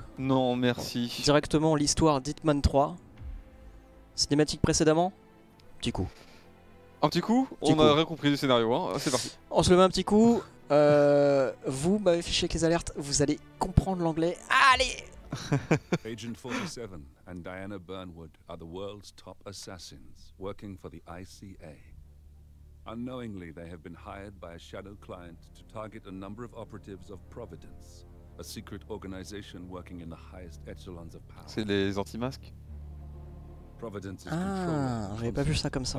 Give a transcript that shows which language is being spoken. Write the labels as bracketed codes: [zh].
[fr] Non, merci. Directement, l'histoire d'Hitman 3. Cinématique précédemment? Petit coup. Un petit coup, Petit on a coup. rien compris du scénario, hein. C'est parti. On se le met un petit coup. Vous m'avez fiché avec les alertes, vous allez comprendre l'anglais. Allez! [en] Agent 47 and Diana Burnwood are the world's top assassins working for the ICA. Unknowingly, they have been hired by a shadow client to target a number of operatives of Providence, a secret organization working in the highest echelons of power. [fr] C'est les anti-masques? [en] Providence's control. [fr] Ah, j'avais pas vu ça comme ça.